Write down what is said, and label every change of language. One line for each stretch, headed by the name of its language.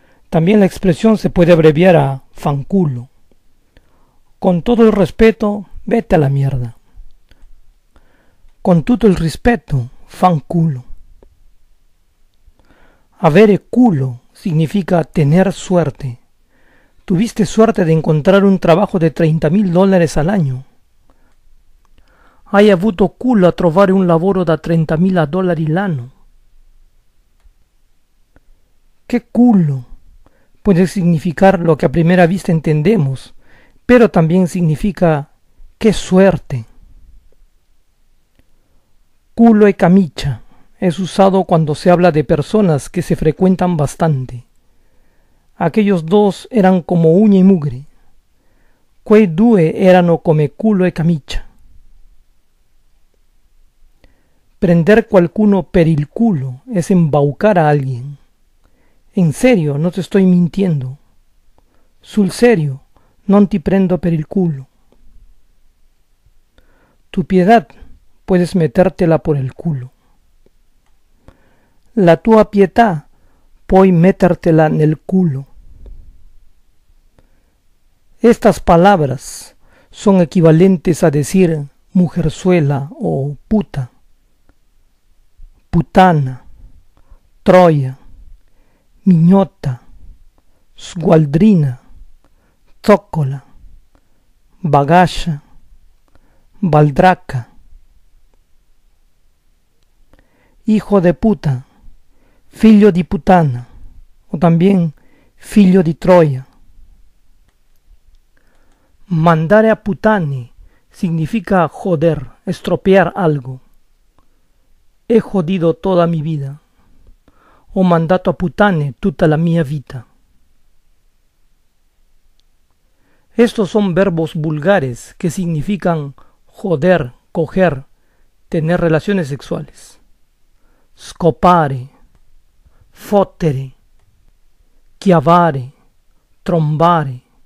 Spanish: También la expresión se puede abreviar a fanculo. Con todo el respeto, vete a la mierda. Con todo el respeto, fanculo. Avere culo significa tener suerte. Tuviste suerte de encontrar un trabajo de 30 mil dólares al año.
Italian: Hai avuto culo a trovare un lavoro da
Spanish: 30 mil dólares
Italian: l'anno.
Spanish: ¿Qué culo? Puede significar lo que a primera vista entendemos, pero también significa qué suerte. Culo e camicia es usado cuando se habla de personas que se frecuentan bastante. Aquellos dos eran como uña y mugre.
Italian: Quei due erano come culo e camicia. Prender qualcuno per il culo
Spanish: es embaucar a alguien. En serio, no te estoy mintiendo.
Italian: Sul serio, non ti prendo per il culo.
Spanish: Tu piedad, puedes metértela por el culo.
Italian: La tua pietà, puoi metértela nel culo.
Spanish: Estas palabras son equivalentes a decir mujerzuela o puta, putana, troya, miñota, sgualdrina, zócola, bagaya, baldraca. Hijo de puta, filho di putana, o también filho di troia. Mandare a putani significa joder, estropear algo. He jodido toda mi vida.
Italian: Ho mandato a putane tutta la mia vita.
Spanish: Estos son verbos vulgares que significan joder, coger, tener relaciones sexuales.
Italian: Scopare, fottere, chiavare, trombare.